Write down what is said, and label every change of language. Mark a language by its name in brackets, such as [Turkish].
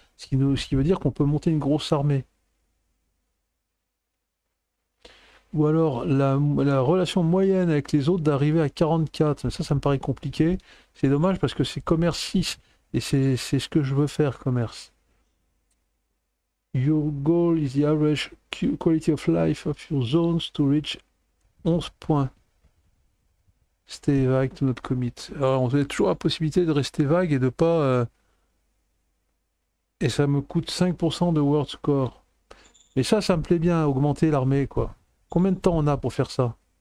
[French] Ce qui veut dire qu'on peut monter une grosse armée. Ou alors la relation moyenne avec les autres d'arriver à 44. Ça me paraît compliqué. C'est dommage parce que c'est commerce 6 et c'est ce que je veux faire, commerce. [English] Your goal is the average quality of life of your zones to reach 11 points. Stay vague to not commit. [French] Alors on a toujours la possibilité de rester vague et de pas. Et ça me coûte 5% de world score. Mais ça me plaît bien, augmenter l'armée, quoi. Combien de temps on a pour faire ça?